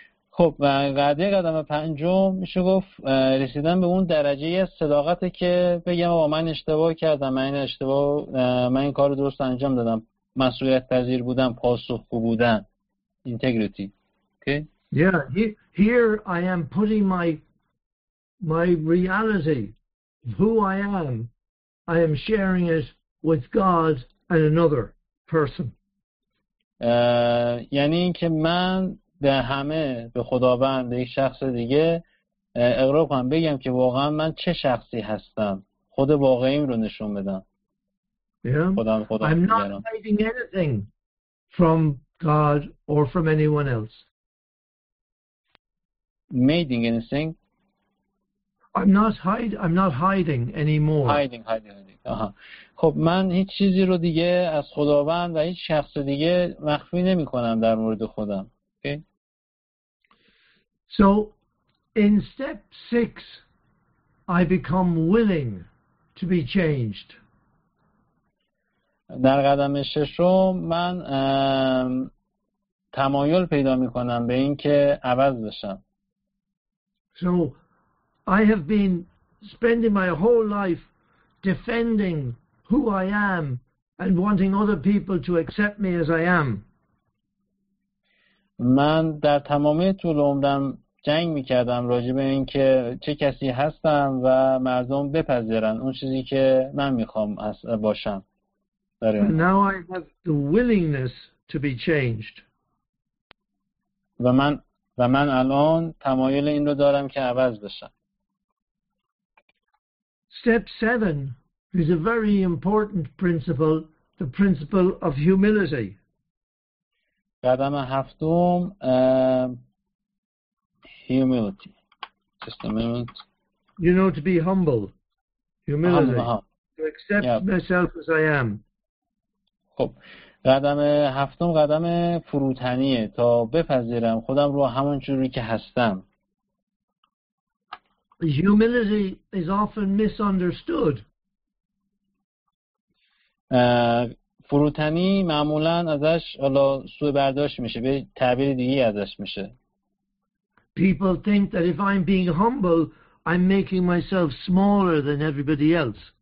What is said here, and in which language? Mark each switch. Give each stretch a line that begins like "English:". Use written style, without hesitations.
Persian: خب و قضیه قدم پنجم میشه گفت رسیدن به اون درجه صداقته که بگم با من اشتباه کردم من این کار درست انجام دادم مسئولیت پذیر بودم پاسخگو بودم integrity.
English: Okay. Yeah, here I am putting my reality, who I am sharing it with God and another person.
Persian: یعنی این که من به همه به خداوند یک شخص دیگه اقرار کنم بگم که واقعا من چه شخصی هستم خود واقعیم رو نشون بدم.
English: I'm not hiding anything from God or from anyone else. Making anything. I'm not hiding anymore. Hiding.
Persian: خب من هیچ چیزی رو دیگه از خداوند و هیچ شخص دیگه مخفی نمی کنم در مورد خودم.
English: Okay. So in step 6 I become willing to be changed.
Persian: در قدم ششم من تمایل پیدا می کنم به این که عوض بشم.
English: So I have been spending my whole life defending who I am and wanting other people to accept me as I am.
Persian: من در تمامی طول عمرم جنگ می‌کردم راجع به اینکه چه کسی هستم و مردم بپذیرن اون چیزی که من می‌خوام باشم.
English: Now I have the willingness to be changed.
Persian: و من الان تمایل این رو دارم که عوض بشم.
English: Step 7 is a very important principle, the principle of humility.
Persian: قدم هفتم
English: humility. Just a moment. You know, to be humble. Humility. To accept myself as I am.
Persian: خب قدم هفتم قدم فروتنیه تا بپذیرم خودم رو همون جوری که هستم.
English: Humility is often misunderstood.
Persian: فروتنی معمولا ازش حالا سوء برداشت میشه به تعبیر دیگه ازش میشه.
English: People think that if I'm being humble, I'm making myself smaller than everybody else.